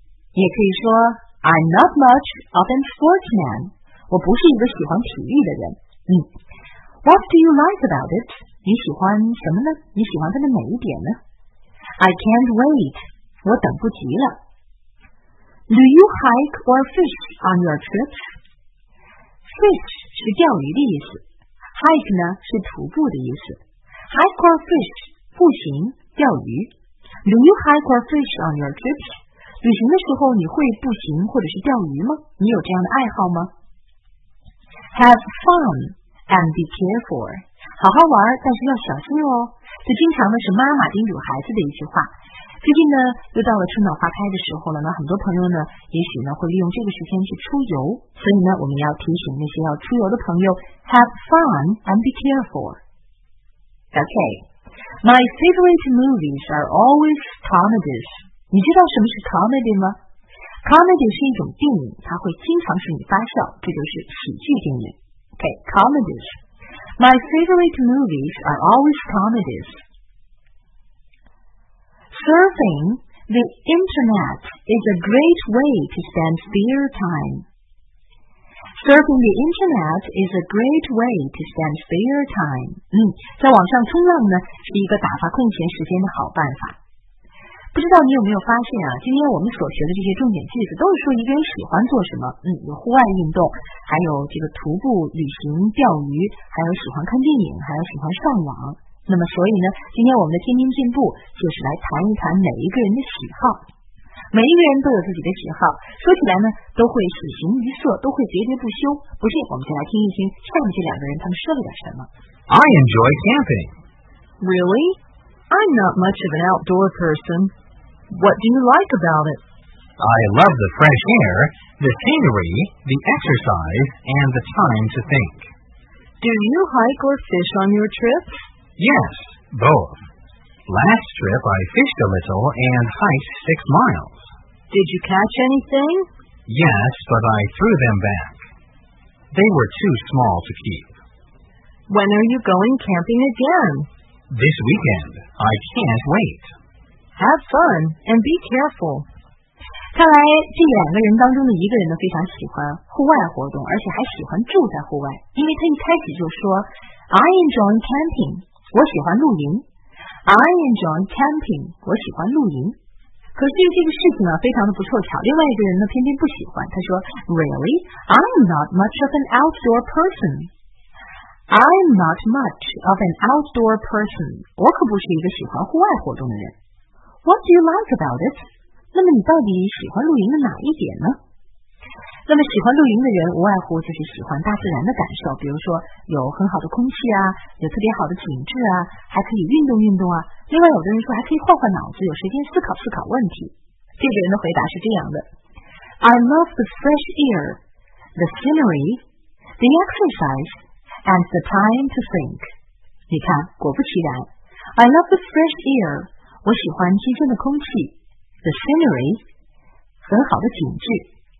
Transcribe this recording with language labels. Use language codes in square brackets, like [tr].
[zh] 也可以说 [en] I'm not much of an sportsman. [zh] 我不是一个喜欢体育的人。 [en] What do you like about it? [zh] 你喜欢什么呢？你喜欢它的哪一点呢？ [en] I can't wait. [zh] 我等不及了。 [en] Do you hike or fish on your trips? [zh] Fish 是钓鱼的意思 ，hike 呢是徒步的意思。 [en] Hike or fish [zh] 步行钓鱼。 [en] Do you hike or fish on your trips? [zh] 旅行的时候你会步行或者是钓鱼吗？你有这样的爱好吗 ？ [en] Have fun and be careful. [zh] 好好玩，但是要小心哦。这经常呢是妈妈叮嘱孩子的一句话。最近呢又到了春暖花开的时候了，那很多朋友呢也许呢会利用这个时间去出游，所以呢我们要提醒那些要出游的朋友 ， [en] Have fun and be careful. Okay. My favorite movies are always comedies. 你知道什么是 comedy 吗 ？Comedy 是一种电影，它会经常使你发笑，这就是喜剧电影。 Okay, comedies. My favorite movies are always comedies. Surfing the internet is a great way to spend spare time. Surfing the internet is a great way to spend spare time. [zh] 在网上冲浪呢是一个打发空闲时间的好办法。不知道你有没有发现啊，今天我们所学的这些重点句子都是说一个人喜欢做什么，有户外运动，还有这个徒步旅行、钓鱼，还有喜欢看电影，还有喜欢上网。那么所以呢，今天我们的天天进步就是来谈一谈每一个人的喜好。每一个人都有自己的喜好，说起来呢都会喜形于色，都会喋喋不休。不信我们就来听一听下面这两个人他们说了点什么。 [en] I enjoy camping. Really? I'm not much of an outdoor person. What do you like about it? I love the fresh air, the scenery, the exercise, and the time to think. Do you hike or fish on your trips? Yes, both. Last trip, I fished a little and hiked 6 miles. Did you catch anything? Yes, but I threw them back. They were too small to keep. When are you going camping again? This weekend. I can't wait. Have fun and be careful. [zh] 看来这两个人当中的一个人都非常喜欢户外活动，而且还喜欢住在户外，因为他一开始就说 [en] I enjoy camping. [zh] 我喜欢露营。 [en] I enjoy camping. [zh] 我喜欢露营。可是这个事情呢，非常的不凑巧。另外一个人呢，偏偏不喜欢。他说 [en] ，Really, I'm not much of an outdoor person. I'm not much of an outdoor person. [zh] 我可不是一个喜欢户外活动的人。 [en] What do you like about it? [zh] 那么你到底喜欢露营的哪一点呢？那么喜欢露营的人无外乎就是喜欢大自然的感受，比如说有很好的空气啊，有特别好的景致啊，还可以运动运动啊。另外有的人说还可以换换脑子，有时间思考思考问题。这个人的回答是这样的 [en] I love the fresh air, the scenery, the exercise, and the time to think. [zh] 你看果不其然 [en] I love the fresh air, [zh] 我喜欢新鲜的空气 [en] the scenery, [zh] 很好的景致